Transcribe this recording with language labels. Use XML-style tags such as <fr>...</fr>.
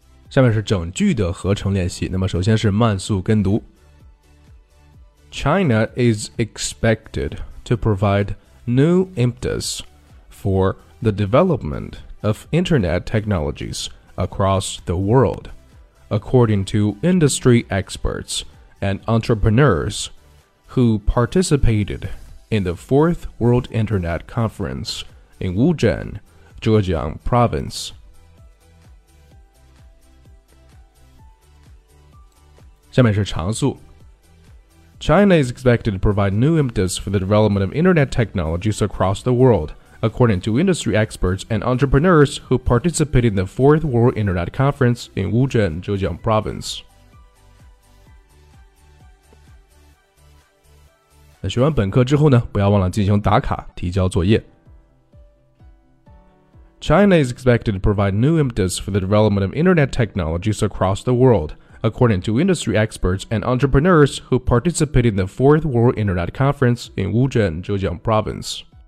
<zh>下面是整句的合成练习。那么首先是慢速跟读。</zh> <en>China is expected to provide new impetus for the development of internet technologies across the world, according to industry experts and entrepreneurs who participated in the 4th World Internet Conference in Wuzhen, Zhejiang Province.</en> <zh>下面是长速。</zh> <en>China is expected to provide new impetus for the development of internet technologies across the world, according to industry experts and entrepreneurs who participated in the 4th World Internet Conference in Wuzhen, Zhejiang Province.</en> <zh>那学完本课之后呢，不要忘了进行打卡，提交作业。</zh> <en>China is expected to provide new impetus for the development of internet technologies across the world,according to industry experts and entrepreneurs who participated in the 4th World Internet Conference in Wuzhen, Zhejiang Province.</en>